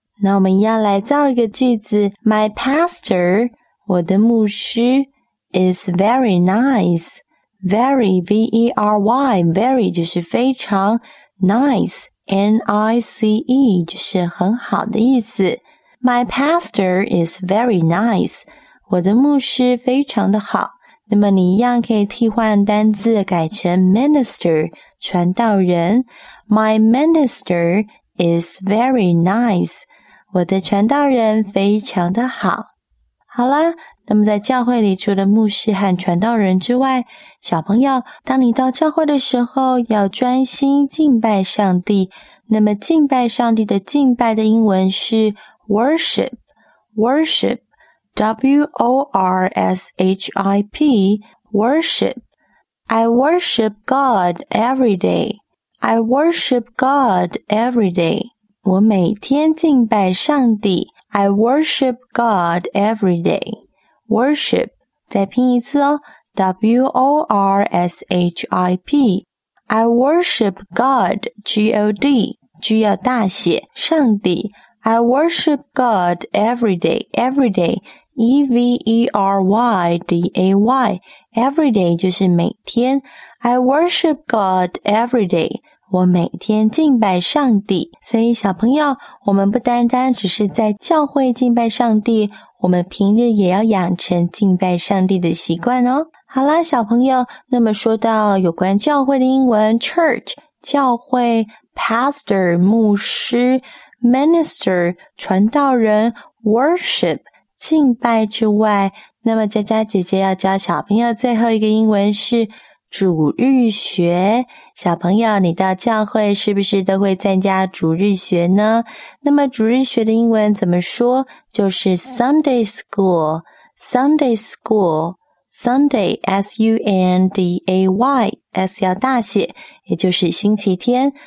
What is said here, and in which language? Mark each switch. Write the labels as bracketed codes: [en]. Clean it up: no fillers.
[zh] 那我们一样来造一个句子， [en] My pastor, [zh] 我的牧师 [en] is very nice, very, V-E-R-Y, very [zh] 就是非常 [en] nice,N-I-C-E, [zh] 就是很好的意思。 [en] My pastor is very nice. [zh] 我的牧师非常的好。那么你一样可以替换单字改成 minister, 传道人。 [en] My minister is very nice. [zh] 我的传道人非常的好。好啦，那么在教会里除了牧师和传道人之外，小朋友，当你到教会的时候要专心敬拜上帝。那么敬拜上帝的敬拜的英文是 worship, worship, W-O-R-S-H-I-P, worship. [en] I worship God every day. I worship God every day. [zh] 我每天敬拜上帝。 [en] I worship God every day. Worship, [zh] 再拼一次哦 [en] ,W-O-R-S-H-I-P, I worship God, G-O-D, [zh] G 要大写上帝 [en] I worship God every day, every day, E-V-E-R-Y-D-A-Y, every day [zh] 就是每天 [en] I worship God every day, [zh] 我每天敬拜上帝。所以小朋友，我们不单单只是在教会敬拜上帝，我们平日也要养成敬拜上帝的习惯哦。好啦，小朋友，那么说到有关教会的英文 church 教会 pastor 牧师 minister 传道人 worship 敬拜之外，那么佳佳姐姐要教小朋友最后一个英文是主日学。小朋友，你到教会是不是都会参加主日学呢？那么主日学的英文怎么说？就是 [en] Sunday school, Sunday school, Sunday, S-U-N-D-A-Y, [zh] S 要大写，也就是星期天。